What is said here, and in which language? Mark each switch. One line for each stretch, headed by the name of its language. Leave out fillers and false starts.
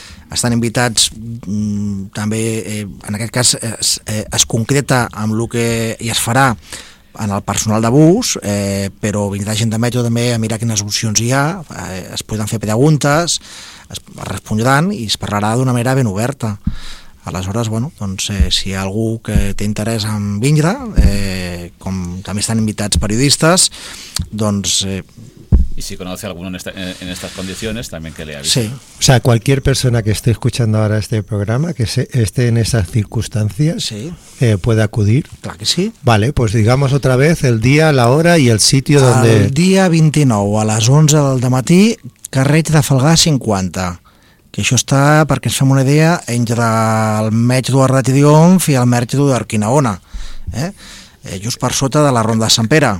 Catalan: Estan invitats també, en aquest cas es concreta amb el que hi es farà en el personal de bus, però vindrà gent de metro també a mirar quines opcions hi ha, es poden fer preguntes, es respondran i es parlarà d'una manera ben oberta. Aleshores, bueno, doncs, si hi ha algú que té interès en vindre, com també estan invitats periodistes, doncs...
Spanish: Y si conoce alguno en estas condiciones, también que le avise. Sí, o sea, cualquier persona que esté escuchando ahora este programa, que esté en esas circunstancias, sí. Puede acudir. Claro que sí. Vale, pues digamos otra vez el día, la hora y el sitio donde...
Catalan: El dia 29, a les 11 del matí, carrer de Falgar 50. Que això està, perquè ens fem una idea, entre el Metge Eduard de Triomf i el Metge Eduard Quinaona, just per sota de la Ronda de Sant Pere.